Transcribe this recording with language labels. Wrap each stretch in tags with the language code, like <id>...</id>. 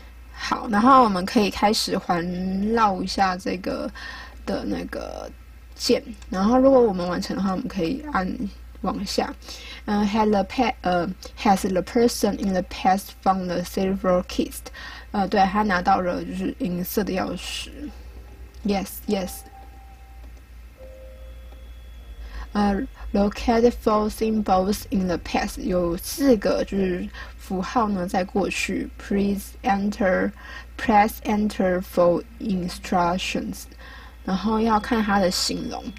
<zh>好，然后我们可以开始环绕一下这个的那个键，然后如果我们完成的话，我们可以按往下。</zh> <en>Has the person in the past found the silver keys？</en> <zh>对，他拿到了就是银色的钥匙。</zh> <en>Yes。 Locate four symbols in the past，</en> <zh>有四个就是符号呢，在过去。</zh> <en>Press enter for instructions，</en> <zh>然后要看它的形容。</zh>